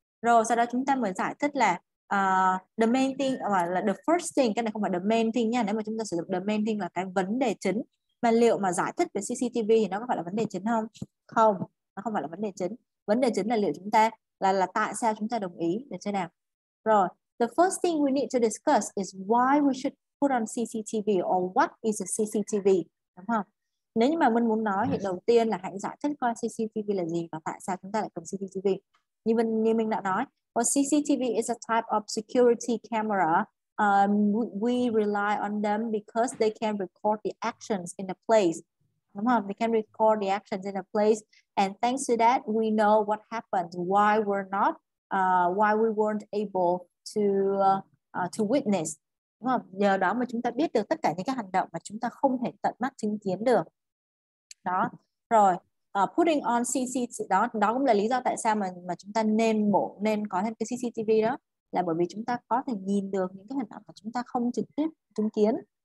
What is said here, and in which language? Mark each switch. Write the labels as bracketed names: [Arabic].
[Vietnamese] Rồi, sau đó chúng ta mới giải thích là [English] the main thing, [Vietnamese] hoặc là [English] the first thing, [Vietnamese] cái này không phải the main thing nha, nếu mà chúng ta sử dụng the main thing là cái vấn đề chính, mà liệu mà giải thích về CCTV thì nó có phải là vấn đề chính không? Không, nó không phải là vấn đề chính là liệu chúng ta là tại sao chúng ta đồng ý, được chưa nào? [English] Rồi, the first thing we need to discuss is why we should put on CCTV or what is a CCTV, [Vietnamese] đúng không? Nếu như mà mình muốn nói thì đầu tiên là hãy giải thích coi CCTV là gì và tại sao chúng ta lại cần CCTV. Như mình đã nói, [English] well, CCTV is a type of security camera. We rely on them because they can record the actions in a place. [Vietnamese] Đúng không? [English] They can record the actions in a place. And thanks to that, we know what happened, why we weren't able to witness. [Vietnamese] Đúng không? Nhờ đó mà chúng ta biết được tất cả những cái hành động mà chúng ta không thể tận mắt chứng kiến được. Đó. Rồi. [English] Putting on CCTV [Vietnamese] đó cũng là lý do tại sao mà chúng ta nên có thêm cái CCTV đó, là bởi vì chúng ta có thể nhìn được những cái hình ảnh mà chúng ta không trực tiếp chứng kiến.